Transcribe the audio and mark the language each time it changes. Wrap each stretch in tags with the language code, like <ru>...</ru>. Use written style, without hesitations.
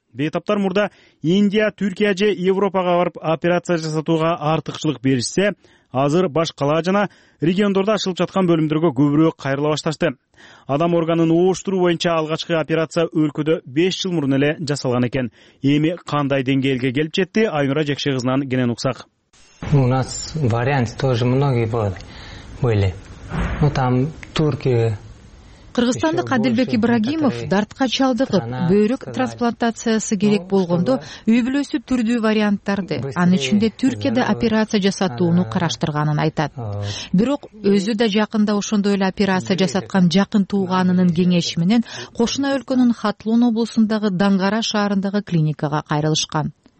<ky>Бейтаптар мурда Индия, Түркия же Европага барып операция жасатууга артыкчылык беришсе, азыр баш калаа жана региондордо ашылып жаткан бөлүмдөргө көбүрөөк кайрыла башташты. Адам органын ооштуруу боюнча алгачкы операция өлкөдө 5 жыл мурун эле жасалган экен. Эми кандай деңгээлге келип жетти? Айнура Жекше кызынан кенен уксак.</ky> <ru>У нас вариант тоже многие были. Ну там Түркия.</ru> <ky>Кыргызстандык Адилбек Ибрагимов дартка чалдыгып, бөйрөк трансплантациясы керек болгондо үй бүлөсү түрдүү варианттарды, анын ичинде Түркияда операция жасатууну караштырганын айтат. Бирок өзү да жакында ошондой эле операция жасаткан жакын тууганынын кеңеши менен кошуна өлкөнүн Хатлун облусундагы Дангара шаарындагы клиникага кайрылышкан.</ky>